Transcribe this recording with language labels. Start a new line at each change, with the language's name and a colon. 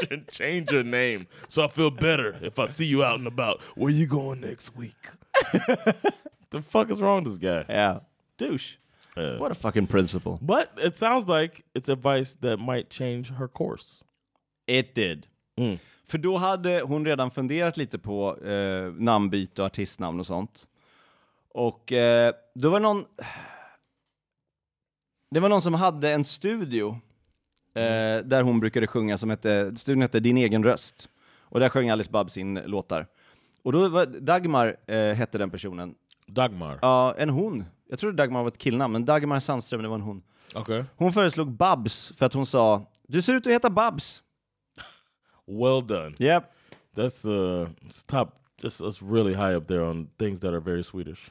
English: change your name. So I feel better if I see you out and about. Where you going next week? The fuck is wrong with this guy? Yeah. Douche. Yeah. What a fucking principal. But it sounds like it's advice that might change her course. It did. Mm.
Swedish: För då hade hon redan funderat lite på namnbyte och artistnamn och sånt. Och då var någon... Det var någon som hade en studio... där hon brukade sjunga som hette, studion hette Din egen röst. Och där sjöng Alice Babs sin låtar. Och då var Dagmar hette den personen. Dagmar? Ja, en hon. Jag trodde Dagmar var ett killnamn, men Dagmar Sandström, det var en hon.
English: Okay.
Swedish: Hon föreslog Babs för att hon sa, du ser ut att heta Babs.
English: Well done. Yep. That's top, that's really high up there on things that are very Swedish.